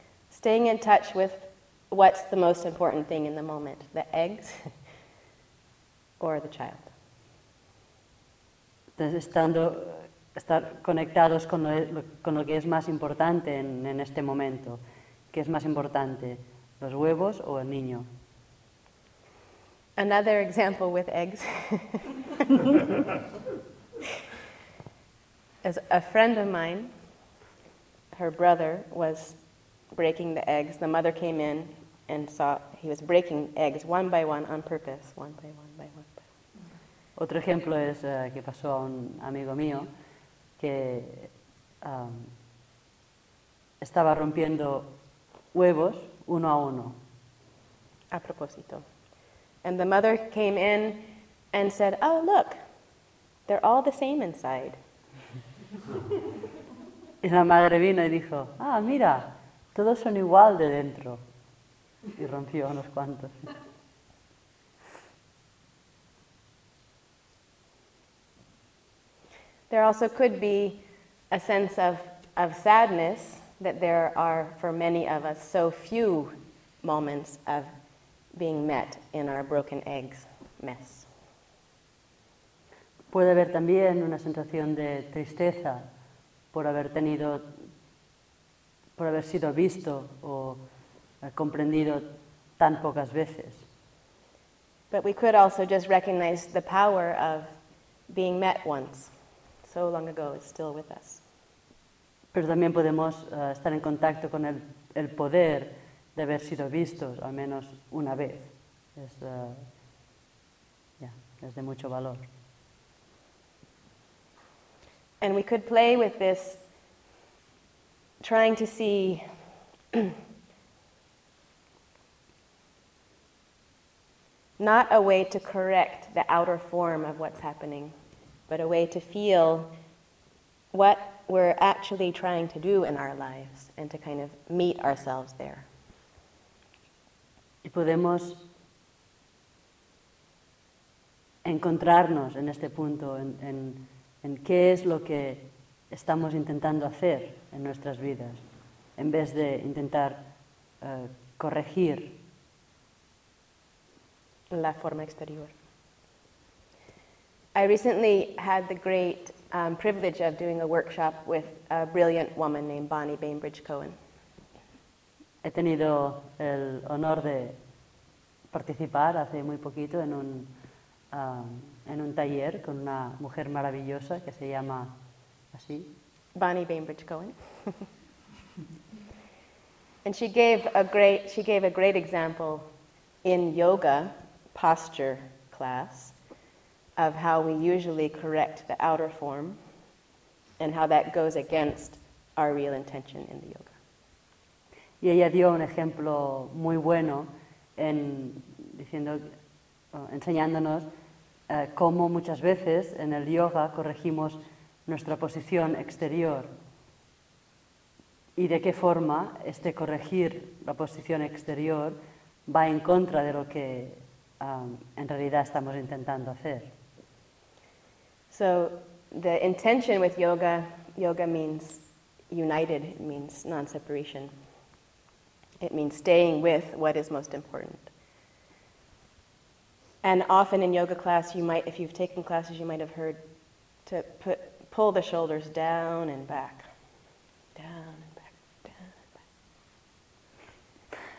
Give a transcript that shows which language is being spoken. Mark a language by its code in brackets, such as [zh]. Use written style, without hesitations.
[en] Staying in touch with what's the most important thing in the moment, the eggs or the child. [es] Entonces, estar conectados con lo que es más importante en este momento. ¿Qué es más importante, los huevos o el niño? [en] Another example with eggs. As a friend of mine, her brother was breaking the eggs. The mother came in and saw he was breaking eggs one by one on purpose, one by one by one by one. [es] Otro ejemplo es que pasó a un amigo mío que estaba rompiendo huevos uno a uno. A propósito. [en] And the mother came in and said, oh, look, they're all the same inside. [es] Y la madre vino y dijo, ah, mira, todos son igual de dentro. Y rompió unos cuantos. [en] There also could be a sense of sadness that there are, for many of us, so few moments of being met in our broken eggs mess. [es] Puede haber también una sensación de tristeza por haber tenido, por haber sido visto o comprendido tan pocas veces. [en] But we could also just recognize the power of being met once, so long ago, it's still with us. [es] Pero también podemos estar en contacto con el poder de haber sido vistos al menos una vez. Es, yeah, es de mucho valor. [en] And we could play with this, trying to see not a way to correct the outer form of what's happening, but a way to feel what we're actually trying to do in our lives and to kind of meet ourselves there. [es] Y podemos encontrarnos en este punto, en qué es lo que estamos intentando hacer en nuestras vidas, en vez de intentar corregir la forma exterior. [en] I recently had the great privilege of doing a workshop with a brilliant woman named Bonnie Bainbridge Cohen. [es] He tenido el honor de participar hace muy poquito en un en un taller con una mujer maravillosa que se llama así. [en] Bonnie Bainbridge Cohen. And she gave a great example in yoga posture class of how we usually correct the outer form and how that goes against our real intention in the yoga. [es] Y ella dio un ejemplo muy bueno en diciendo, enseñándonos cómo muchas veces en el yoga corregimos nuestra posición exterior y de qué forma este corregir la posición exterior va en contra de lo que en realidad estamos intentando hacer. [en] So the intention with yoga, yoga means united, it means non-separation. It means staying with what is most important. And often in yoga class, you might, if you've taken classes, you might have heard to pull the shoulders down and back, down and back, down and back.